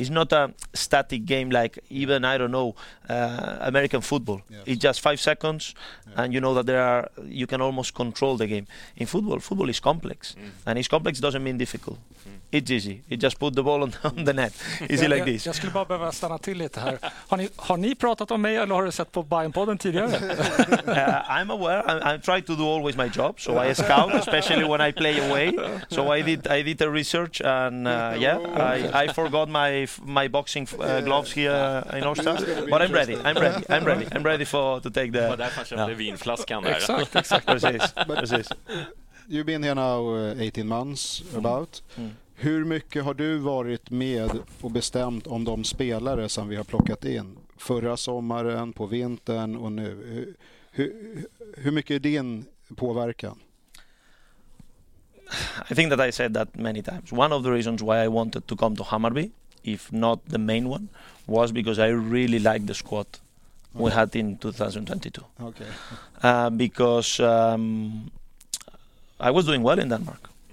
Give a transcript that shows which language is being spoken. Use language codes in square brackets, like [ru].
[en] It's not a static game like even, I don't know, American football. Yes. It's just 5 seconds, yeah. And you know that there are, you can almost control the game. In football, football is complex, and it's complex doesn't mean difficult. It's easy. You just put the ball on the net. Easy like this. [sv] Jag skulle bara behöva stanna till lite här. Har ni pratat om mig eller har du sett på Bayern-podden tidigare? [en] I'm aware. I'm trying to do always my job. So I scout, especially when I play away. So I did a research and I forgot my boxing gloves here in Austria. But I'm ready. I'm ready to take the... [sv] Det här fanns jag blev vinflaskan där. Exakt. Precis. [en] You've been here now 18 months about. Mm. [sv] Hur mycket har du varit med och bestämt om de spelare som vi har plockat in förra sommaren, på vintern och nu? Hur mycket är din påverkan? [en] I think that I said that many times. One of the reasons why I wanted to come to Hammarby, if not the main one, was because I really liked the squad we had in 2022. Okay. Because I was doing well in Denmark.